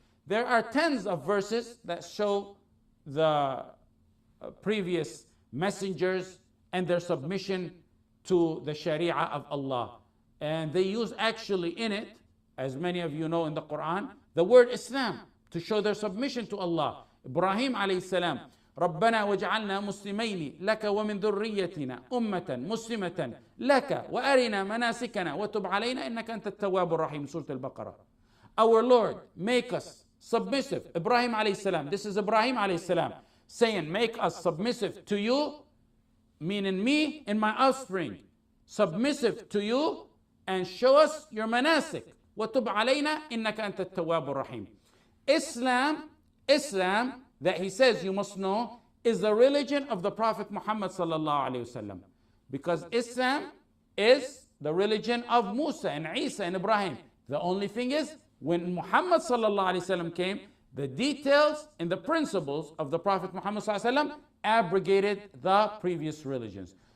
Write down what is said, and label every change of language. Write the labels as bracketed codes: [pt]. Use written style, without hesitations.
[en] There are tens of verses that show the previous messengers and their submission to the Sharia of Allah. And they use actually in it, as many of you know in the Quran, the word Islam to show their submission to Allah. Ibrahim alayhi salam, [ar] ربنا واجعلنا مسلمين لك ومن ذريتنا أمة مسلمة لك وأرنا مناسكنا وتب علينا إنك أنت التواب الرحيم سورة البقرة. [en] Our Lord, make us submissive. Ibrahim عليه السلام. This is Ibrahim عليه السلام saying, make us submissive to you, meaning me and my offspring, submissive to you, and show us your manasik. [ar] وتب علينا إنك أنت التواب الرحيم. [en] Islam that he says you must know is the religion of the Prophet Muhammad sallallahu alaihi wasallam, because Islam is the religion of Musa and Isa and Ibrahim. The only thing is, when Muhammad sallallahu alaihi wasallam came, the details and the principles of the Prophet Muhammad sallallahu alaihi wasallam abrogated the previous religions.